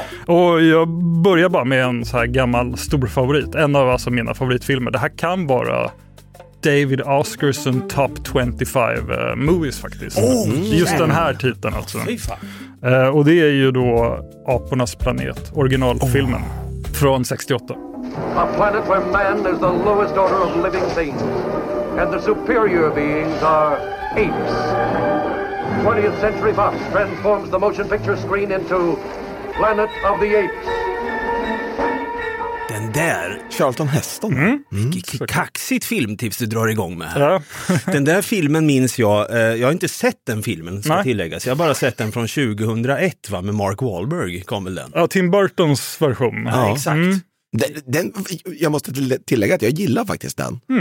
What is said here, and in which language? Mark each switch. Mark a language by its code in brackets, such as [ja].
[sv] Och jag börjar bara med en så här gammal storfavorit. En av alltså mina favoritfilmer. Det här kan vara David Oskarsson Top 25 Movies faktiskt. Just den här titeln alltså. Och det är ju då Apornas planet, originalfilmen från 68. [en] A planet where man is the lowest order of living things, and the superior beings are apes. 20th Century Fox transforms the motion picture screen into Planet of the Apes. [sv] Den där, Charlton Heston. Kaxigt filmtips du drar igång med. Ja. Den där filmen minns jag. Jag har inte sett den filmen, ska tilläggas. Jag har bara sett den från 2001, va, med Mark Wahlberg kom väl den. Ja, Tim Burtons version. Ja, exakt. Mm. Den, jag måste tillägga att jag gillar faktiskt den.